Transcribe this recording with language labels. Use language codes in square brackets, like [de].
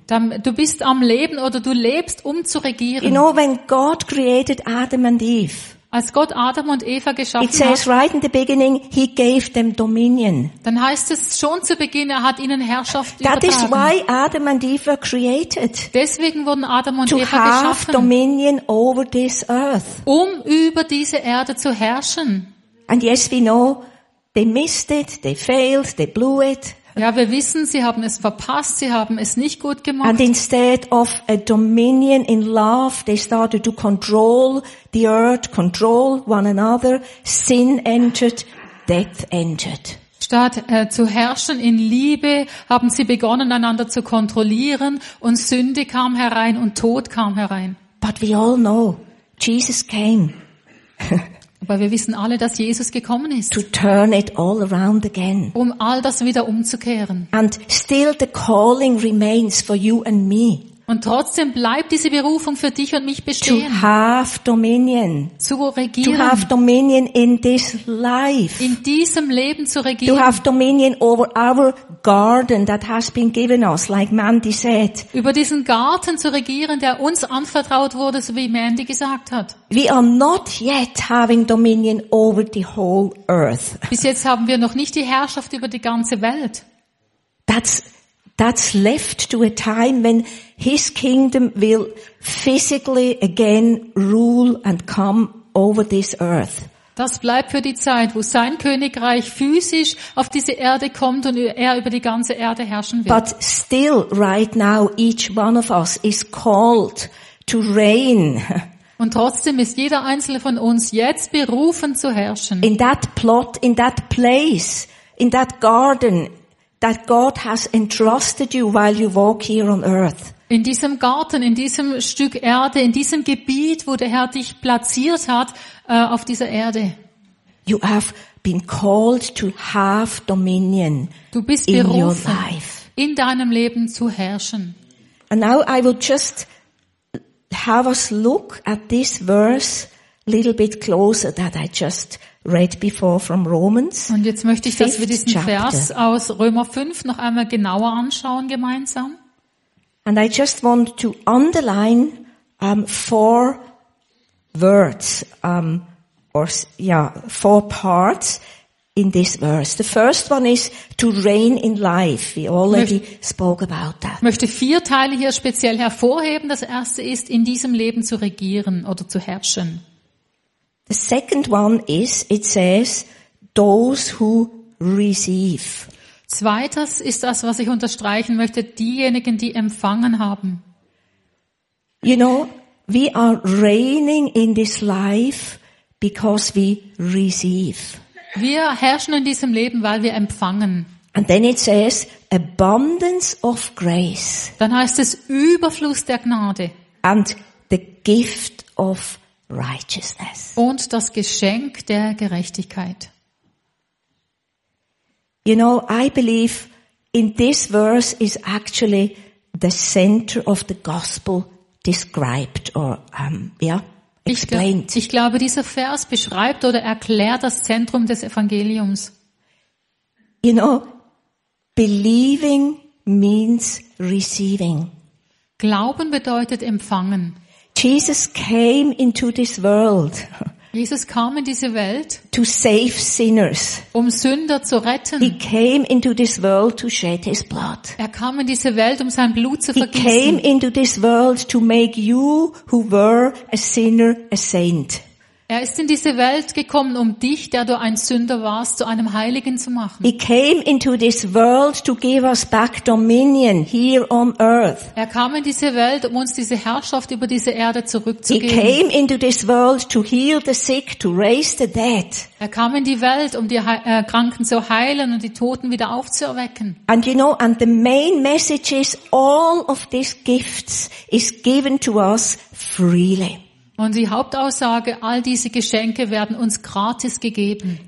[de] Du bist am Leben oder du lebst, um zu regieren. [en] You know, when God created Adam and Eve. [de] Als Gott Adam und Eva geschaffen [en] it says [de] hat, [en] right in the beginning, he gave them dominion. [de] Dann heißt es schon zu Beginn, er hat ihnen Herrschaft [en] that [de] übertragen. [en] That is why Adam and Eve were created. [de] Deswegen wurden Adam und [en] to [de] Eva geschaffen. [en] Have dominion over this earth. [de] Um über diese Erde zu herrschen. [en] And yes, we know they missed it, they failed, they blew it. [de] Ja, wir wissen, sie haben es verpasst, sie haben es nicht gut gemacht. [en] And instead of a dominion in love, they started to control the earth, control one another. Sin entered, death entered. [de] Statt zu herrschen in Liebe, haben sie begonnen, einander zu kontrollieren, und Sünde kam herein und Tod kam herein. [en] But we all know, Jesus came. [de] Aber wir wissen alle, dass Jesus gekommen ist. [en] To turn it all around again. [de] Um all das wieder umzukehren. [en] And still the calling remains for you and me. [de] Und trotzdem bleibt diese Berufung für dich und mich bestehen. [en] To have dominion. [de] Zu regieren. [en] To have dominion in this life. [de] In diesem Leben zu regieren. [en] To have dominion over our garden that has been given us, like Mandy said. [de] Über diesen Garten zu regieren, der uns anvertraut wurde, so wie Mandy gesagt hat. [en] We are not yet having dominion over the whole earth. [de] Bis jetzt haben wir noch nicht die Herrschaft über die ganze Welt. [en] That's left to a time when his kingdom will physically again rule and come over this earth. [de] Das bleibt für die Zeit, wo sein Königreich physisch auf diese Erde kommt und er über die ganze Erde herrschen wird. [en] But still right now each one of us is called to reign. [de] Und trotzdem ist jeder einzelne von uns jetzt berufen zu herrschen. [en] In that plot, in that place, in that garden that God has entrusted you while you walk here on earth. [de] In diesem Garten, in diesem Stück Erde, in diesem Gebiet, wo der Herr dich platziert hat, auf dieser Erde. [en] You have been called to have dominion. [de] Du bist berufen, in deinem Leben zu herrschen. [en] And now I will just have us look at this verse a little bit closer that I just read before from Romans. [de] Und jetzt möchte ich, dass wir diesen Vers aus Römer 5 noch einmal genauer anschauen gemeinsam. [en] And I just want to underline four words four parts in this verse. The first one is to reign in life. We already spoke about that. [de] Möchte vier Teile hier speziell hervorheben. Das erste ist, in diesem Leben zu regieren oder zu herrschen. [en] The second one is, it says, those who receive. [de] Zweites ist das, was ich unterstreichen möchte, diejenigen, die empfangen haben. [en] You know, we are reigning in this life because we receive. [de] Wir herrschen in diesem Leben, weil wir empfangen. [en] And then it says, abundance of grace. [de] Dann heißt es Überfluss der Gnade. [en] And the gift of righteousness. [de] Und das Geschenk der Gerechtigkeit. [en] You know, I believe in this verse is actually the center of the gospel described or explained. [de] Ich glaube, dieser Vers beschreibt oder erklärt das Zentrum des Evangeliums. [en] You know, believing means receiving. [de] Glauben bedeutet empfangen. [en] Jesus came into this world. [de] Jesus kam in diese Welt. [en] To save sinners. [de] Um Sünder zu retten. [en] He came into this world to shed his blood. [de] Er kam in diese Welt, um sein Blut zu vergießen. [en] He came into this world to make you who were a sinner a saint. [de] Er ist in diese Welt gekommen, um dich, der du ein Sünder warst, zu einem Heiligen zu machen. [en] He came into this world to give us back dominion here on earth. [de] Er kam in diese Welt, um uns diese Herrschaft über diese Erde zurückzugeben. [en] He came into this world to heal the sick, to raise the dead. [de] Er kam in die Welt, um die Kranken zu heilen und die Toten wieder aufzuerwecken. [en] And you know, and the main message is all of these gifts is given to us freely. [de] Und die Hauptaussage, all diese Geschenke werden uns gratis gegeben.